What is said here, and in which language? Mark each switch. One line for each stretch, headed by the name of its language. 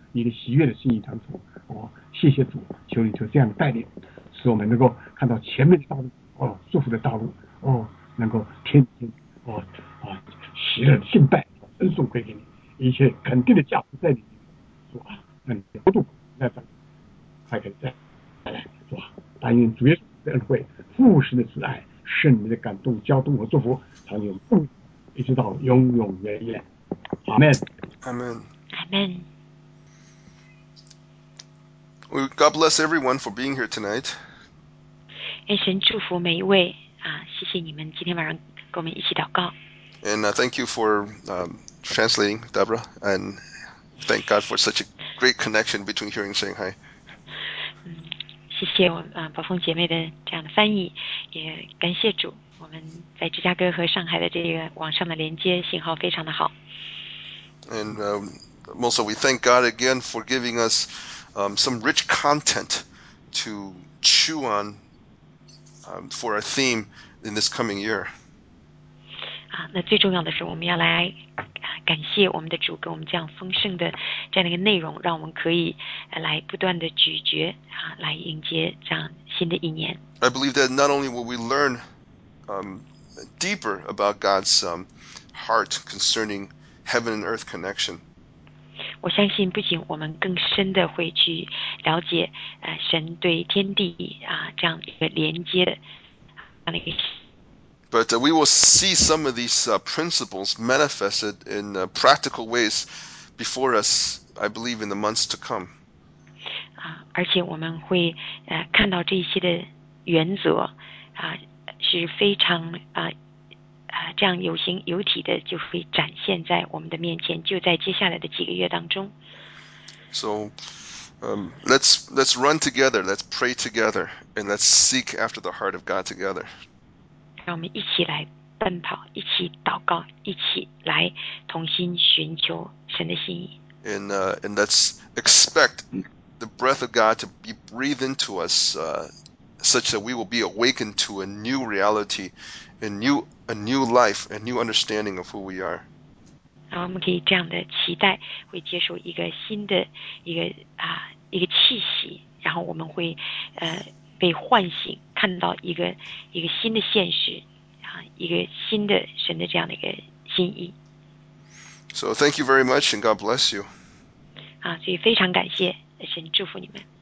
Chinese: 你的喜悦的心意当中，哦，谢谢主，求你就这样带领，使我们能够看到前面的道路，哦，祝福的道路，哦，能够天天，哦，啊，喜乐的敬拜，恩颂归给你，一切肯定的价值在你里面，主啊，让你流动，那咱还可以再来，主啊，但愿主耶稣的恩惠、父神的慈爱、圣灵的感动、交通和祝福，常有共，一直到永永远远。阿门。阿门。阿门。
English: God bless everyone for being here tonight.
Chinese: 愿神祝福每一位啊！谢谢你们今天晚上跟我们一起祷告。
English: And thank you for translating, Deborah. And thank God for such a great connection between here and Shanghai.
Chinese: 谢谢我啊，宝凤姐妹的这样的翻译，也感谢主，我们在芝加哥和上海的这个网上的连接信号非常的好。
English: And also, we thank God again for giving us. Some rich content to chew on for our theme in this coming year.
Chinese: 啊，那最重要的是我们要来感谢我们的主给我们这样丰盛的这样的一个内容，让我们可以来不断的咀嚼啊，来迎接这样新的一年。
English: I believe that not only will we learn deeper about God's heart concerning heaven and earth connection.
Chinese: 我相信不仅我们更深的会去了解神对天地啊这样一个连接的那个。
English: But we will see some of these principles manifested in practical ways before us, I believe, in the months to come.
Chinese: 啊，而且我们会看到这些的原则啊是非常这样有形有体的就会展现在我们的面前，就在接下来的几个月当中。
English: So, let's run together, let's pray together, and let's seek after the heart of God together.
Chinese: 让我们一起来奔跑，一起祷告，一起来同心寻求神的心意。
English: And let's expect the breath of God to be breathed into us, such that we will be awakened to a new reality, and new. A new life, a new understanding of who we are.
Chinese: 我们可以这样的期待，会接受一个新的一个一个气息，然后我们会被唤醒，看到一个新的现实啊，一个新的神的这样的一个心意。
English: So thank you very much, and God bless you.
Chinese: 啊，所以非常感谢神祝福你们。